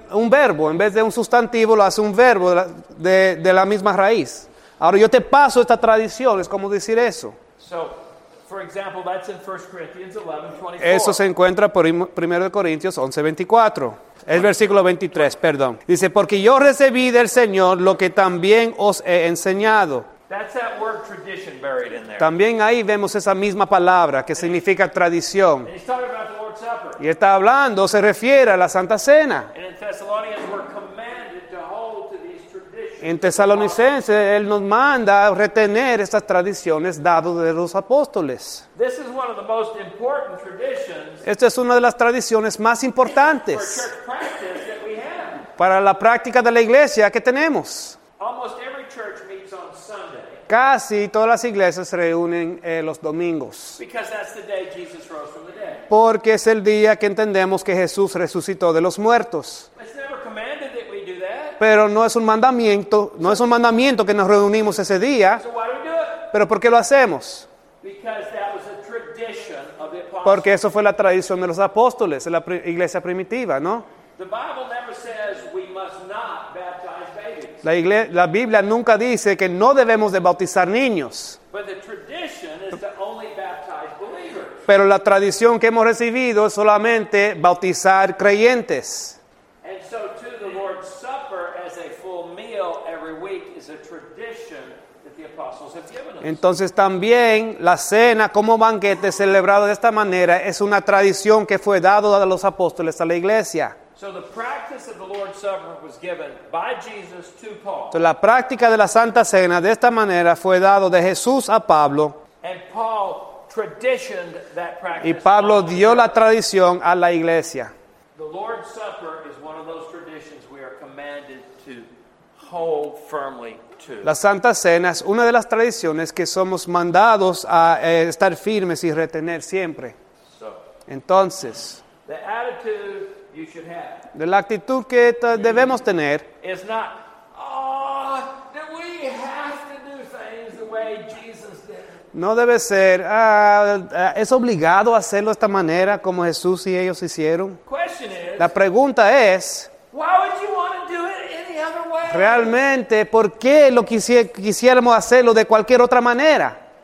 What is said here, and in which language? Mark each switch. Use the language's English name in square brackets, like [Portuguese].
[Spanish] un verbo, en vez de un sustantivo, lo hace un verbo de la misma raíz. Ahora yo te paso esta tradición, es como decir eso. [English] So, for example, that's in 1 Corinthians 11:24. [Spanish] Eso se encuentra por 1 Corintios 11:24. El versículo 23, perdón. Dice, porque yo recibí del Señor lo que también os he enseñado. [English] That's that word tradition buried in there. [Spanish] También ahí vemos esa misma palabra que significa tradición. [English] And he's talking about the Lord's Supper. [Spanish] Y está hablando, se refiere a la Santa Cena. [English] And in Thessalonians, we're commanded to hold to these traditions. [Spanish] En Tesalonicenses, él nos manda a retener estas tradiciones dadas de los apóstoles. [English] This is one of the most important traditions. [Spanish] Esta es una de las tradiciones más importantes [English] for church practice that we have. [Spanish] Para la práctica de la iglesia que tenemos. [English] Almost every church. [Spanish] Casi todas las iglesias se reúnen los domingos. [English] Because that's the day Jesus rose from the dead. [Spanish] Porque es el día que entendemos que Jesús resucitó de los muertos. [English] It's never commanded that we do that. [Spanish] Pero no es un mandamiento, no es un mandamiento que nos reunimos ese día. [English] So why do we do it? [Spanish] Pero ¿por qué lo hacemos? [English] Because that was a tradition of the apostles. [Spanish] Porque eso fue la tradición de los apóstoles, de la iglesia primitiva, ¿no? [English] The Bible never says we must not baptize. [Spanish] La Biblia nunca dice que no debemos de bautizar niños. [English] But the tradition is to only baptize believers. [Spanish] Pero la tradición que hemos recibido es solamente bautizar creyentes. [English] And so too, the Lord's Supper as a full meal every week is a tradition that the apostles have given us. [Spanish] Entonces también la cena como banquete celebrado de esta manera es una tradición que fue dado a los apóstoles a la iglesia. [English] So the practice of the Lord's Supper was given by Jesus to Paul. [Spanish] Entonces, la práctica de la Santa Cena de esta manera fue dado de Jesús a Pablo. [English] And Paul traditioned that practice. [Spanish] Y Pablo dio la tradición a la iglesia. [English] The Lord's Supper is one of those traditions we are commanded to hold firmly to. [Spanish] La Santa Cena es una de las tradiciones que somos mandados a estar firmes y retener siempre. [English] So, [Spanish] entonces, [English] the attitude you should have. [Spanish] De la actitud que debemos tener [English] is not, oh, that we have to do things the way way Jesus did. [Spanish] No debe ser, es obligado hacerlo de esta manera como Jesús y ellos hicieron. [English] Question is, [Spanish] la pregunta es, [English] why would you want to do it any other way? [Spanish] Realmente, ¿por qué lo quisiéramos hacerlo de cualquier otra manera?